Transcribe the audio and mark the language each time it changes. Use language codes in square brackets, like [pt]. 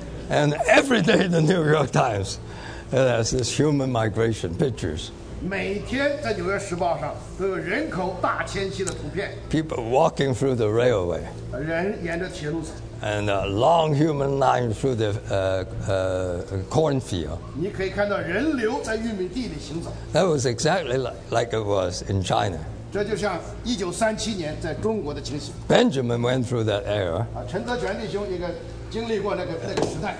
[en] And every day the New York Times. It has this human migration pictures. [zh] 每天在纽约时报上都有人口大迁徙的图片。 [en] People walking through the railway. [zh] 人沿着铁路走。 [en] And a long human line through the cornfield. [zh] 你可以看到人流在玉米地里行走。 [en] That was exactly like it was in China. [zh] 这就像一九三七年在中国的情形。 [en] Benjamin went through that era. [zh] 陈德全弟兄应该经历过那个时代。